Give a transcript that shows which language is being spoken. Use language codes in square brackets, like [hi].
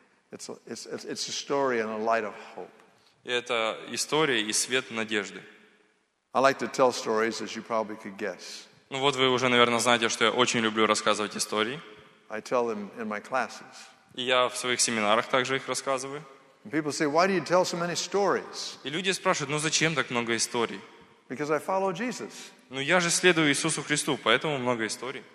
[en] It's a story and a light of hope. [ru] И это история и свет надежды. [en] I like to tell stories, as you probably could guess. [ru] Ну вот вы уже, наверное, знаете, что я очень люблю рассказывать истории. [en] I tell them in my classes. [ru] И я в своих семинарах также их рассказываю. [en] And people say, "Why do you tell so many stories?" [ru] И люди спрашивают: "Ну зачем так много историй?" [en] Because I follow Jesus. [ru] Ну я же следую Иисусу Христу, поэтому много историй.